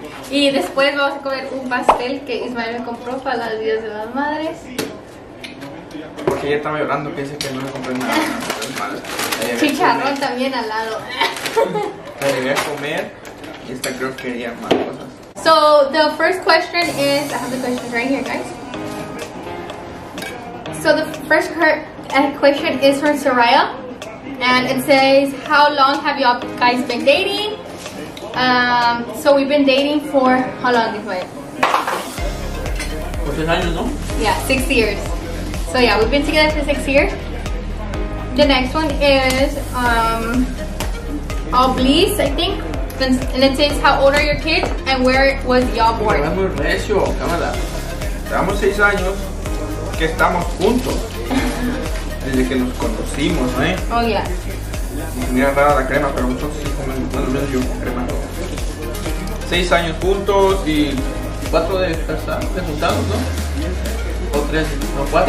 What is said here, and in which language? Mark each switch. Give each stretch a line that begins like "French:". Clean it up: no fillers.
Spanish: Y después vamos a comer un pastel que Ismael me compró para las días de las madres. Porque ella estaba llorando, pensé que no le compré nada. Chicharrón también al lado. La llevé a comer y esta creo que quería más cosas.
English: So, the first question is, I have the questions right here, guys. So the first question is from Soraya, and it says, how long have y'all guys been dating? So we've been dating for, how long is it? 6 years, no? Yeah, 6 years. So yeah, we've been together for 6 years. The next one is, Oblis, I think, and it says, how old are your kids, and where was y'all born?
Spanish: Estamos recio, cámara. Estamos 6 años. Que estamos juntos desde que nos conocimos, ¿eh?
English: Oh, yeah.
Spanish: Mira, rara la crema, pero muchos sí comen, bueno, menos yo, crema. 6 años juntos y 4 de casados, juntados, ¿no? O 3, no, 4.